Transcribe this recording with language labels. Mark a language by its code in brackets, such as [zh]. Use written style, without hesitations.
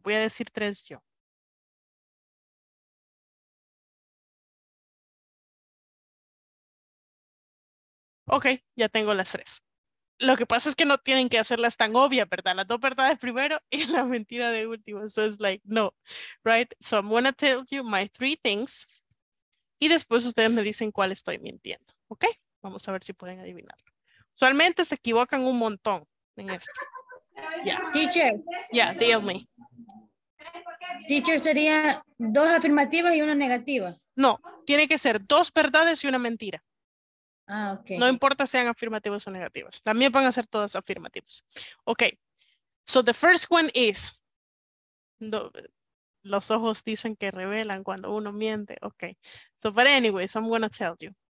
[es] Voy a decir tres yo. Ok, ya tengo las tres. Lo que pasa es que no tienen que hacerlas tan obvias, ¿verdad? Las dos verdades primero y la mentira de último. [en] So it's like, no, right? So I'm going to tell you my three things. [es] Y después ustedes me dicen cuál estoy mintiendo. Ok, vamos a ver si pueden adivinarlo. Usualmente se equivocan un montón en esto. [en] Yeah. Teacher. Yeah, tell me. [es] Teacher, sería dos afirmativas y una negativa. No, tiene que ser dos verdades y una mentira. [en] Ah, okay. [es] No importa sean afirmativos o negativos. También van a ser todas afirmativos. Ok. [en] So the first one is. [es] No, los ojos dicen que revelan cuando uno miente. [en] Ok. So but anyways, I'm going to tell you.